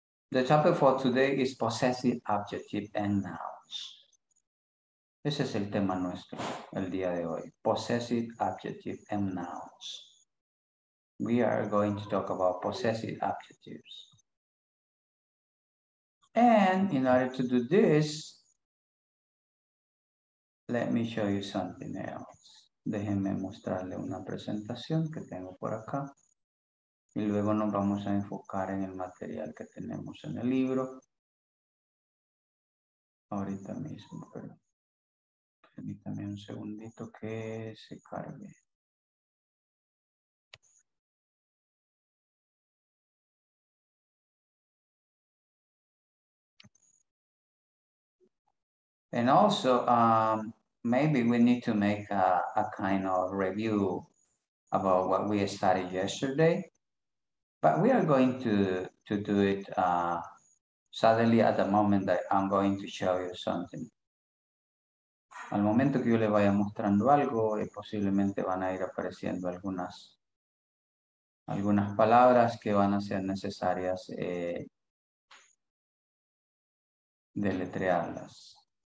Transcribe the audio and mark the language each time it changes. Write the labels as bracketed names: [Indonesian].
[English] The topic for today is possessive adjective and nouns. [Spanish] Ese es el tema nuestro el día de hoy. [English] Possessive adjective and nouns. We are going to talk about possessive adjectives. And in order to do this, let me show you something else. [Spanish] Déjenme mostrarle una presentación que tengo por acá. Y luego nos vamos a enfocar en el material que tenemos en el libro. Ahorita mismo, pero permítame un segundito que se cargue. [English] And also, maybe we need to make a kind of review about what we studied yesterday. But we are going to do it suddenly at the moment that I'm going to show you something. [Spanish] Al momento que yo le vaya mostrando algo, posiblemente van a ir apareciendo algunas palabras que van a ser necesarias deletrearlas.